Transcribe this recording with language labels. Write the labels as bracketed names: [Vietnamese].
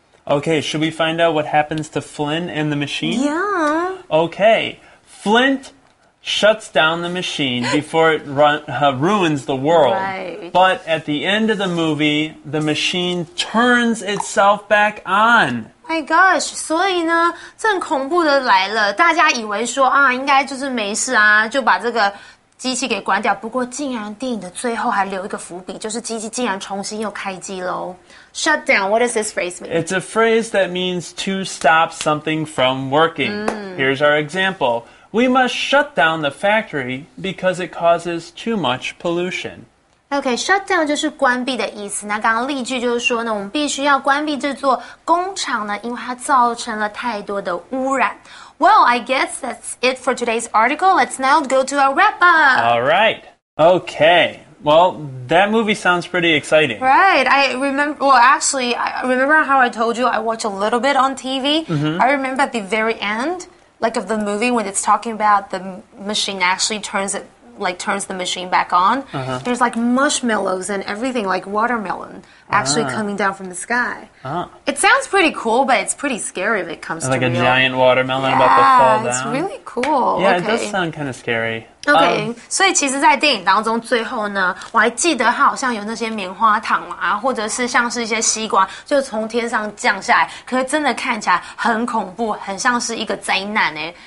[English] Okay, should we find out what happens to Flint and the machine? Yeah. Okay, Flint shuts down the machine before it ruins the world. Right. But at the end of the movie, the machine turns itself back on. My gosh, [Chinese] 所以呢正恐怖的来了，大家以为说啊应该就是没事啊，就把这个机器给关掉，不过竟然电影的最后还留一个伏笔，就是机器竟然重新又开机咯。 [English] Shut down, what does this phrase mean? It's a phrase that means to stop something from working.、 Mm. Here's our example. We must shut down the factory because it causes too much pollution. [Chinese] OK, shut down 就是关闭的意思。那刚刚例句就是说呢，我们必须要关闭这座工厂呢，因为它造成了太多的污染。 [English] Well, I guess that's it for today's article. Let's now go to our wrap-up. All right. Okay. Well, that movie sounds pretty exciting. Right. I remember how I told you I watch a little bit on TV?、 Mm-hmm. I remember at the very end, like of the movie, when it's talking about the machine actually turns it,like turns the machine back on,、 uh-huh. there's like marshmallows and everything like watermelon actually、uh-huh. coming down from the sky.、 Uh-huh. It sounds pretty cool, but it's pretty scary if it comes、 like、 to me. Like a、 real. Giant watermelon、 yeah, about to fall down. It's really cool. Yeah,、 okay. it does sound kind of scary. [Chinese] Okay, 所以其实在电影当中最后呢，我还记得它好像有那些棉花糖啊，或者是像是一些西瓜就从天上降下来，可是真的看起来很恐怖，很像是一个灾难诶。